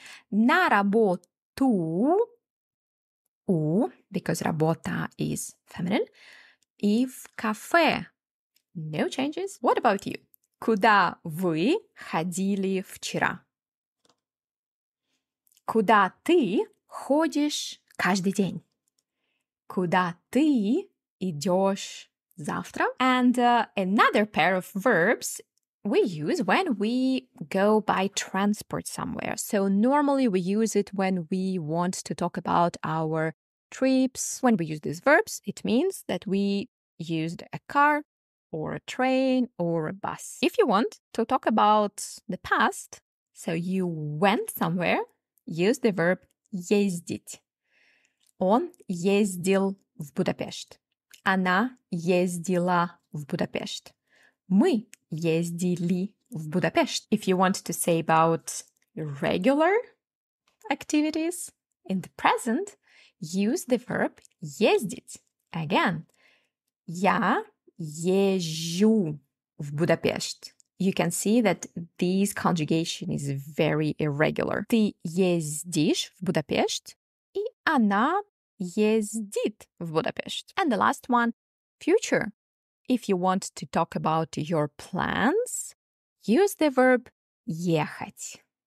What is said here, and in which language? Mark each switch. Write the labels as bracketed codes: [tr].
[ru] На работу. У, [en] because работа is feminine. [ru] И в кафе. [en] No changes. What about you? [ru] Куда вы ходили вчера? Куда ты ходишь каждый день? Куда ты идешь завтра? [en] And another pair of verbs we use when we go by transport somewhere. So normally we use it when we want to talk about our trips. When we use these verbs, it means that we used a car or a train or a bus. If you want to talk about the past, so you went somewhere, use the verb ездить. [ru] Он ездил в Будапешт. Она ездила в Будапешт. Мы ездили в Будапешт. [en] If you want to say about regular activities in the present, use the verb ездить. [ru] Again, я езжу в Будапешт. [en] You can see that this conjugation is very irregular. [ru] Ты ездишь в Будапешт и она ездит в Будапешт. [en] And the last one, future. If you want to talk about your plans, use the verb ехать.